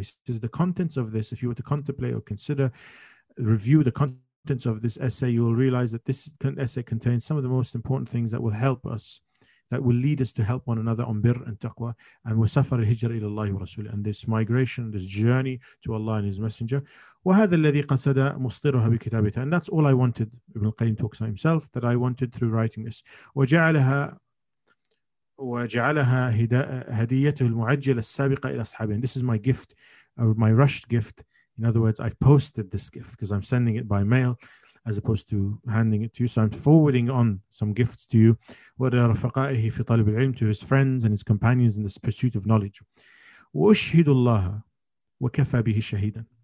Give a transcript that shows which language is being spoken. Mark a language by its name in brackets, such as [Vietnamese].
[English] He says, the contents of this, if you were to contemplate or consider, review the contents of this essay, you will realize that this essay contains some of the most important things that will help us, that will lead us to help one another on birr and taqwa, and we suffer [Arabic] hijra ila Allah wa Rasul, [English] and this migration, this journey to Allah and His Messenger. [Arabic] وهذا الذي قصد مصدرها بكتابته. [English] And that's all I wanted, Ibn Qayyim talks about himself, that I wanted through writing this. [Arabic] وجعلها هديته المعجلة السابقة إلى أصحابه. [English] And this is my gift, or my rushed gift. In other words, I've posted this gift because I'm sending it by mail, as opposed to handing it to you. So I'm forwarding on some gifts to you. [Arabic] وَلَا رَفَقَائِهِ فِي طَالِبِ الْعِلْمِ, [English] to his friends and his companions in this pursuit of knowledge. [Arabic] وَأُشْهِدُ اللَّهَ وَكَفَى بِهِ شَهِيدًا.